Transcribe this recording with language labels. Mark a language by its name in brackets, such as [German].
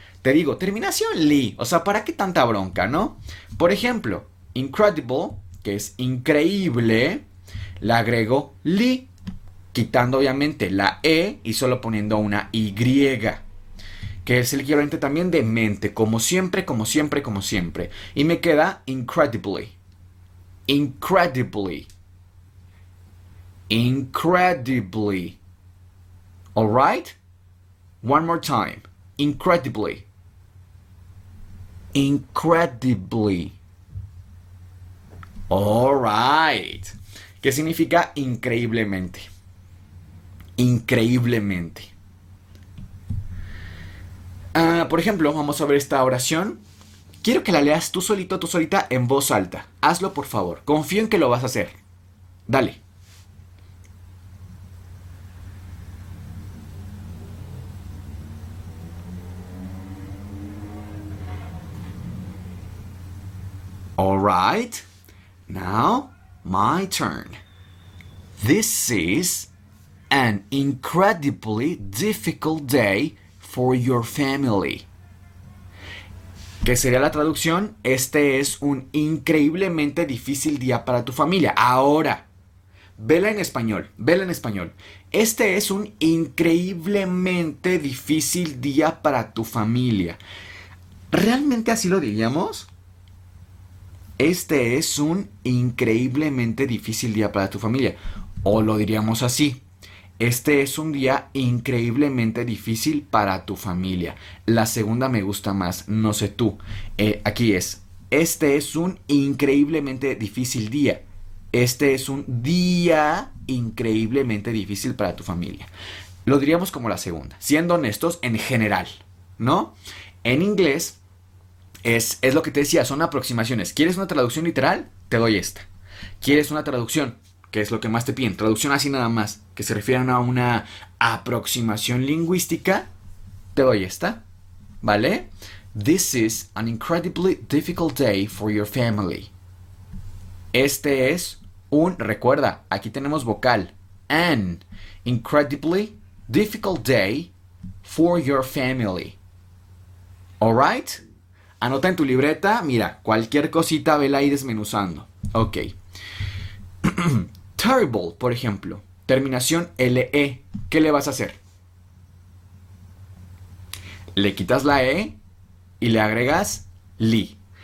[Spanish] Te digo, terminación li. O sea, ¿para qué tanta bronca, no? Por ejemplo, incredible, que es increíble, le agrego li, quitando obviamente la e y solo poniendo una y, que es el equivalente también de mente, como siempre, como siempre, como siempre. Y me queda [English] incredibly, incredibly, incredibly. Alright? One more time. Incredibly, incredibly. Alright. [Spanish] ¿Qué significa increíblemente? Increíblemente. Por ejemplo, vamos a ver esta oración. Quiero que la leas tú solito, tú solita, en voz alta. Hazlo, por favor. Confío en que lo vas a hacer. Dale. [English] Alright. Now, my turn. This is an incredibly difficult day for your family. [Spanish] ¿Qué sería la traducción? Este es un increíblemente difícil día para tu familia. Ahora, vela en español, vela en español. Este es un increíblemente difícil día para tu familia. ¿Realmente así lo diríamos? Este es un increíblemente difícil día para tu familia. O lo diríamos así. Este es un día increíblemente difícil para tu familia. La segunda me gusta más, no sé tú. Aquí es. Este es un increíblemente difícil día. Este es un día increíblemente difícil para tu familia. Lo diríamos como la segunda. Siendo honestos, en general, ¿no? En inglés. Es lo que te decía, son aproximaciones. ¿Quieres una traducción literal? Te doy esta. ¿Quieres una traducción? ¿Qué es lo que más te piden? Traducción así nada más, que se refieran a una aproximación lingüística. Te doy esta, ¿vale? [English] This is an incredibly difficult day for your family. [Spanish] Este es un, recuerda, aquí tenemos vocal. [English] An incredibly difficult day for your family. ¿Alright? [Spanish] Anota en tu libreta, mira, cualquier cosita, vela ahí desmenuzando. Ok. Terrible, por ejemplo. Terminación LE. ¿Qué le vas a hacer? Le quitas la E y le agregas li.